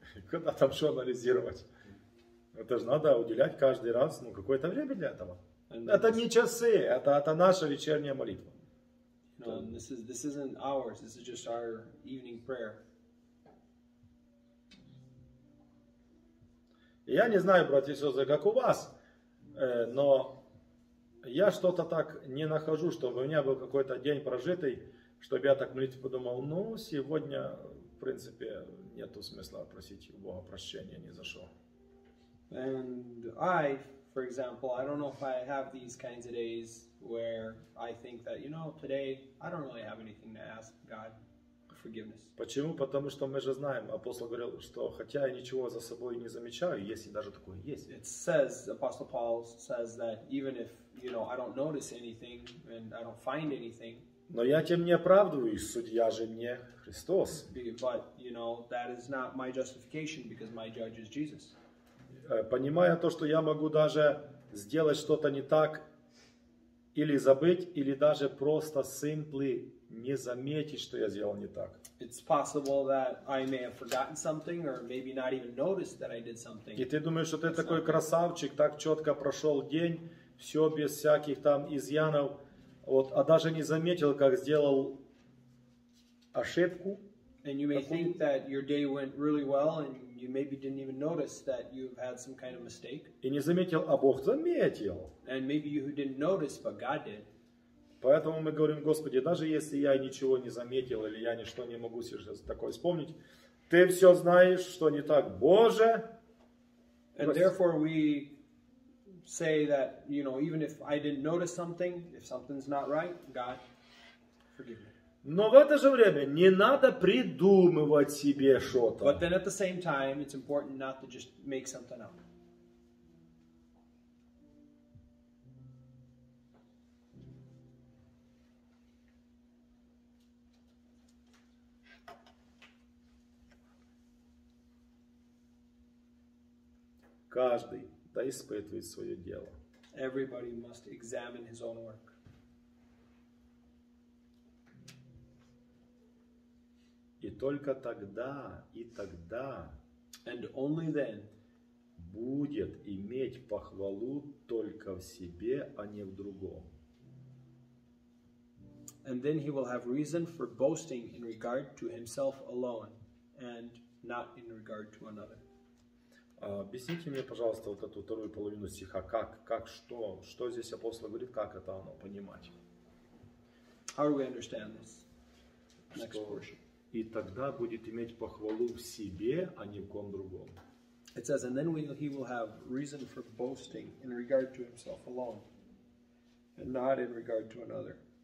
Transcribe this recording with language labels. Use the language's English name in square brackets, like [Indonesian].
[Russian] Куда там что анализировать? Это же надо уделять каждый раз ну какое-то время для этого. Это не часы, это наша вечерняя молитва. [English] No, this isn't ours. This is just our evening prayer. [Russian] Я не знаю, братья и сестры, как у вас, но я что-то так не нахожу, чтобы у меня был какой-то день прожитый, чтобы я так молитву подумал, ну, сегодня, в принципе, нету смысла просить у Бога прощения ни за что. [English] And I, for example, I don't know if I have these kinds of days where I think that, you know, today I don't really have anything to ask God. [Russian] Почему? Потому что мы же знаем, апостол говорил, что хотя я ничего за собой не замечаю, есть и даже такое есть. [English] It says, Apostle Paul says that even if, you know, I don't notice anything and I don't find anything. [Russian] Но я тем не оправдываюсь, судья же мне Христос. [English] But, you know, that is not my justification because my judge is Jesus. [Russian] Понимая то, что я могу даже сделать что-то не так, или забыть, или даже просто [English] simply [Russian] не заметить, что я сделал не так. [English] It's possible that I may have forgotten something or maybe not even noticed that I did something. [Russian] И ты думаешь, что ты [English] That's [Russian] такой красавчик, так четко прошел день, все без всяких там изъянов, вот, а даже не заметил, как сделал ошибку. [English] And you may think that your day went really well and you maybe didn't even notice that you've had some kind of mistake. [Russian] И не заметил, а Бог заметил. [English] And maybe you didn't notice, but God did. [Russian] Поэтому мы говорим, Господи, даже если я ничего не заметил или я ничто не могу себе такое вспомнить, ты все знаешь, что не так, Боже. [English] And therefore we say that, you know, even if I didn't notice something, if something's not right, God, forgive me. [Russian] Но в это же время не надо придумывать себе что-то. [English] But then at the same time, it's important not to just make something up. [Russian] Каждый да испытывает свое дело. [English] Everybody must examine his own work. [Russian] И только тогда, и тогда [English] And only then [Russian] будет иметь похвалу только в себе, а не в другом. [English] and then he will have reason for boasting in regard to himself alone, and not in regard to another. [Russian] Объясните мне, пожалуйста, вот эту вторую половину стиха. Как, что? Что здесь апостол говорит? Как это оно понимать? [English] How do we understand this? Next portion. [Russian] И тогда будет иметь похвалу в себе, а не в ком другом. [English] It says, and then he will have reason for boasting in regard to himself alone, and not in regard to another.